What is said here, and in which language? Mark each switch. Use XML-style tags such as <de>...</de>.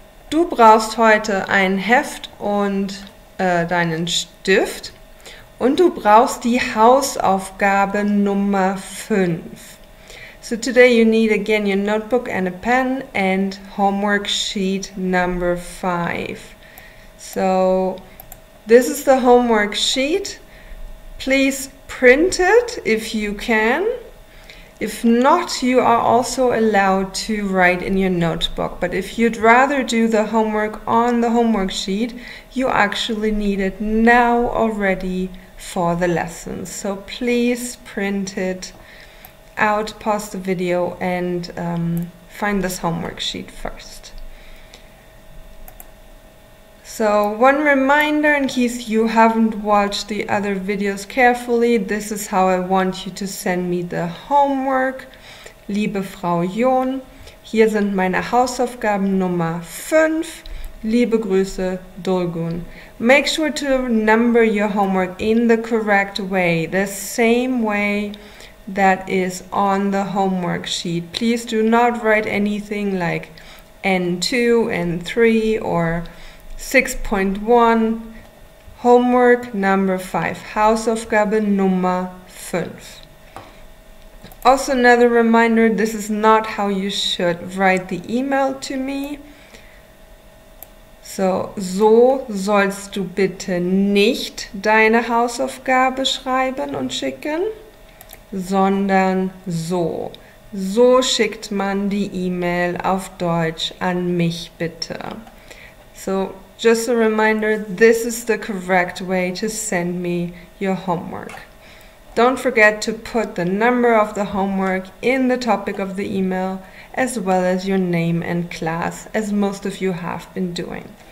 <de>Du brauchst heute ein Heft und deinen Stift und du brauchst die Hausaufgabe Nummer 5.</de> <en>So today you need again your notebook and a pen and homework sheet number 5. So this is the homework sheet. Please print it if you can. If not, you are also allowed to write in your notebook. But if you'd rather do the homework on the homework sheet, you actually need it now already for the lesson. So please print it out, pause the video and find this homework sheet first. So one reminder, in case you haven't watched the other videos carefully, this is how I want you to send me the homework.</en> <de>Liebe Frau John, hier sind meine Hausaufgaben Nummer 5. Liebe Grüße, Dulgun.</de> <en>Make sure to number your homework in the correct way, the same way that is on the homework sheet. Please do not write anything like N2, N3 or 6.1. Homework number 5.</en> <de>Hausaufgabe Nummer 5.</de> <en>Also another reminder, this is not how you should write the email to me.</en> <de>So, so sollst du bitte nicht deine Hausaufgabe schreiben und schicken, sondern so. So schickt man die E-Mail auf Deutsch an mich bitte.</de> <en>So, just a reminder, this is the correct way to send me your homework. Don't forget to put the number of the homework in the topic of the email, as well as your name and class, as most of you have been doing.</en>